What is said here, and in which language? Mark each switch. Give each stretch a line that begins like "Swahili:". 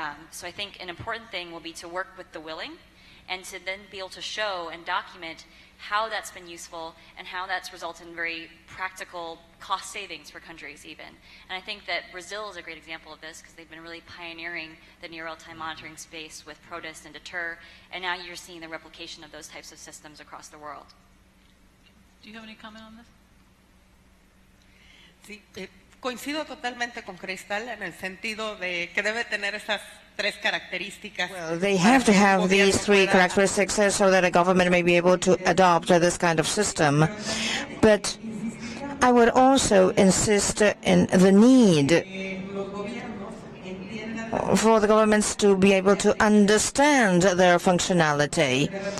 English: So I think an important thing will be to work with the willing and to then be able to show and document how that's been useful and how that's resulted in very practical cost savings for countries even. And I think that Brazil is a great example of this, because they've been really pioneering the near real-time monitoring space with PRODIS and DETER, and now you're seeing the replication of those types of systems across the world. Do you have any comment on this?
Spanish: Sí, coincido totalmente con Crystal en el sentido de que debe tener esas tres características.
English: Well, they have to have these three characteristics so that a government may be able to adopt this kind of system. But I would also insist in the need for the governments to be able to understand their functionality.